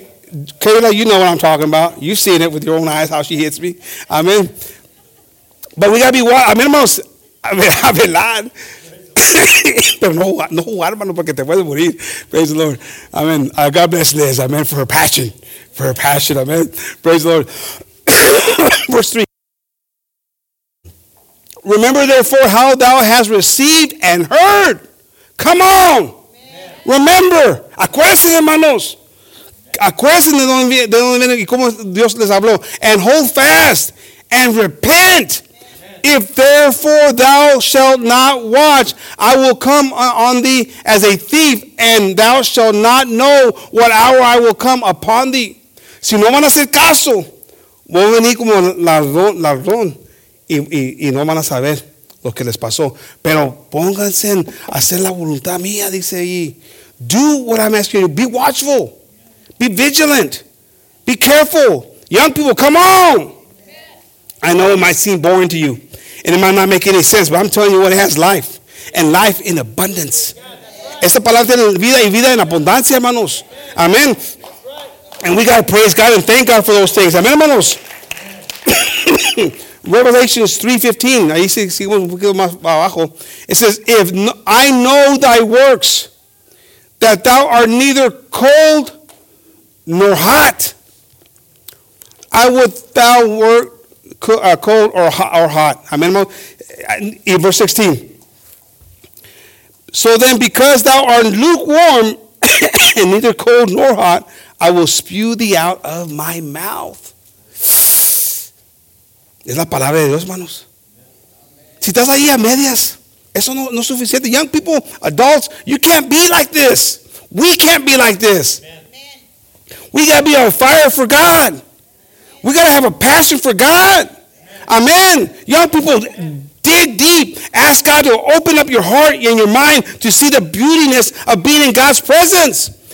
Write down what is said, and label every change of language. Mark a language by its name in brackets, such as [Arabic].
[English] Kayla, you know what I'm talking about. You've seen it with your own eyes, how she hits me. I mean, but we got to be wild. I mean, hermanos, I've been lying. [Spanish] Pero no jugar, hermano, porque te puedes morir. [English] Praise the Lord. I mean, God bless Liz. I mean, for her passion, amen. Praise the Lord. Verse 3. Remember, therefore, how thou hast received and heard. Come on. Amen. Remember. [Spanish] Acuérdense, hermanos. Acuérdense de donde viene y cómo Dios les habló. [English] And hold fast and repent. Amen. If therefore thou shalt not watch, I will come on thee as a thief, and thou shalt not know what hour I will come upon thee. [Spanish] Si no van a hacer caso, voy a venir como ladrón y no van a saber lo que les pasó. Pero pónganse a hacer la voluntad mía, dice ahí. [English] Do what I'm asking you. Be watchful. Be vigilant. Be careful. Young people, come on. I know it might seem boring to you, and it might not make any sense, but I'm telling you what, it has life, and life in abundance. [Spanish] Esta palabra tiene vida y vida en abundancia, hermanos. [English] Amen. And we got to praise God and thank God for those things. Amen, hermanos. [Spanish] Revelations 3:15. Ahí seguimos un poquito más abajo. [English] It says, if I know thy works, that thou art neither cold nor hot, I would thou were cold or hot. Amen, hermanos. In verse 16. So then, because thou art lukewarm and neither cold nor hot, I will spew thee out of my mouth. [Spanish] Es la palabra de Dios, manos. Si estás ahí a medias, eso no es suficiente. [English] Young people, adults, you can't be like this. We can't be like this. Amen. We got to be on fire for God. Amen. We got to have a passion for God. Amen. Amen. Young people, amen. Dig deep. Ask God to open up your heart and your mind to see the beautiness of being in God's presence.